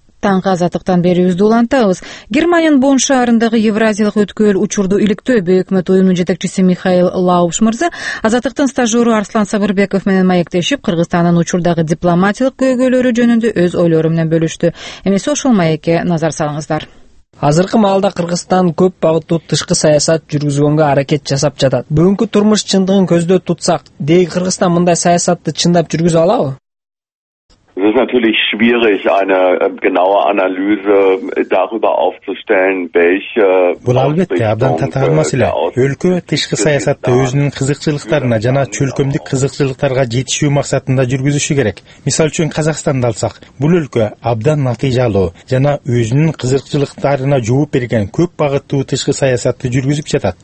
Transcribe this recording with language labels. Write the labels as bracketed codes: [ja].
[ky] Таңкы азаттыктан бери үздү улантабыз. Германиянын Бонн шаарындагы евразиялык өткөл учурду иликтөө Бөөк өкмөт уюмунун жетекчиси Михаил Лаубш мырза азаттыктын стажёру Арслан Сабырбеков менен маектешип, Кыргызстандын учурдагы дипломатиялык көйгөйлөрү жөнүндө өз ойлору менен бөлүштү. Эмесе ошол маекке назар салыңыздар. Азыркы маалда Кыргызстан көп багыттуу тышкы саясат жүргүзгөнгө аракет жасап жатат. Бүгүнкү турмуш чындыгын көздө тутсак, деги Кыргызстан мындай саясатты чындап жүргүзө алабы? [de] Es ist natürlich schwierig, eine genaue Analyse darüber aufzustellen, welche... [ky] Бул албетте абдан татаал маселе. Өлкө тышкы саясатты өзүнүн кызыкчылыктарына жана чөлкөмдүк кызыкчылыктарга жетишүү максатында жүргүзүшү керек. Мисалы үчүн Казакстанды алсак, бул өлкө абдан натыйжалуу жана өзүнүн кызыкчылыктарына жооп берген көп багыттуу тышкы саясатты жүргүзүп жатат.